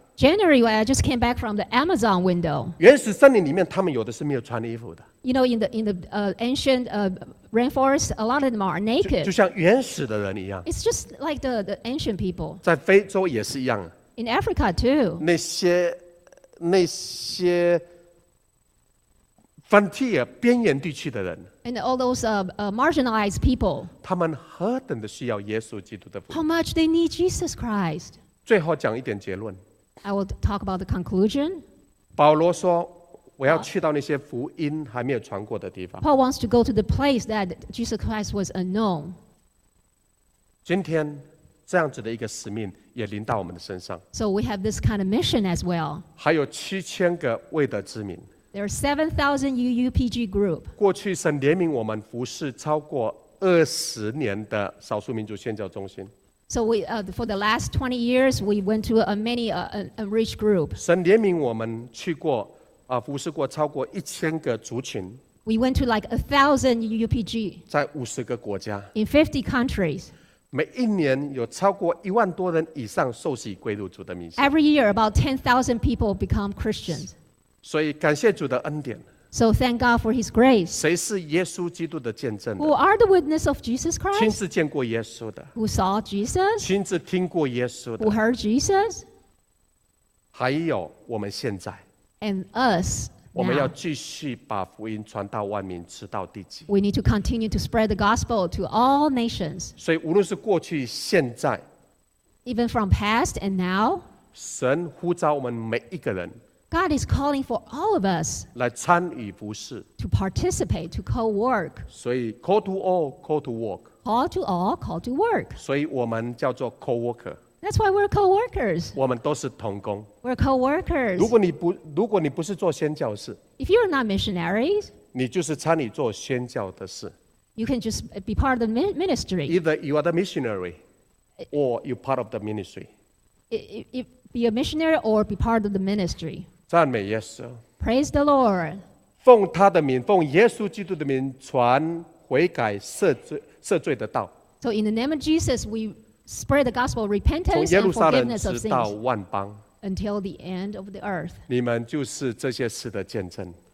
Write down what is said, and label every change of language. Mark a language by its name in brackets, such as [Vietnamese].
[English] January, I just came back from the Amazon window. [Chinese] 原始森林里面，他们有的是没有穿衣服的。 [English] You know, in the ancient rainforest, a lot of them are naked. [Chinese] 就像原始的人一样。 [English] It's just like the ancient people. [Chinese] 在非洲也是一样。 [English] In Africa too. [Chinese] 那些 frontier 边缘地区的人。 [English] And all those marginalized people. [Chinese] 他们何等的需要耶稣基督的福音。 [English] How much they need Jesus Christ. [Chinese] 最后讲一点结论。 [English] I will talk about the conclusion. [Chinese] 保罗说，我要去到那些福音还没有传过的地方。 [English] Paul wants to go to the place that Jesus Christ was unknown. [Chinese] 今天这样子的一个使命也临到我们的身上。 [English] So we have this kind of mission as well. [Chinese] 还有七千个未得之民。 [English] There are 7,000 UUPG group. [Chinese] 过去神怜悯我们服侍超过20年的少数民族宣教中心。 [English] So we, for the last 20 years, we went to a many enriched group. [Chinese] 神怜悯我们去过，服侍过超过1000个族群。 [English] We went to like 1,000 UUPG. [Chinese] 在50个国家。 [English] In 50 countries. [Chinese] 每一年有超过10000多人以上受洗归入主的名下。 [English] Every year, about 10,000 people become Christians. [Chinese] 所以感谢主的恩典。 [English] So thank God for His grace. [Chinese] 谁是耶稣基督的见证的 [English] ？Who are the witness of Jesus Christ？ [Chinese] 亲自见过耶稣的 [English] ？Who saw Jesus？ [Chinese] 亲自听过耶稣的 [English] ？Who heard Jesus？ [Chinese] 还有我们现在 [English] ，and us。 [Chinese] 我们要继续把福音传到万民，直到地极。 [English] We need to continue to spread the gospel to all nations. [Chinese] 所以无论是过去、现在 [English] ，even from past and now， [Chinese] 神呼召我们每一个人。 [English] God is calling for all of us [Chinese] 来参与服事 [English] to participate, to co-work. [Chinese] 所以 [English] call to all, call to work. Call to all, call to work. [Chinese] 所以我们叫做 co-worker. [English] That's why we're co-workers. [Chinese] 我们都是同工 [English] We're co-workers. [Chinese] 如果你不是做宣教士 [English] If you're not missionaries, [Chinese] 你就是参与做宣教的事 [English] You can just be part of the ministry. Either you are the missionary, or you're part of the ministry. Be a missionary or be part of the ministry. [Chinese] 赞美耶稣。 [English] Praise the Lord. [Chinese] 奉他的名，奉耶稣基督的名，传悔改赦罪的道。 [English] So in the name of Jesus, we spread the gospel, repentance and forgiveness of sins. [Chinese] 从耶路撒冷直到万邦。 [English] Until the end of the earth. [Chinese] 你们就是这些事的见证。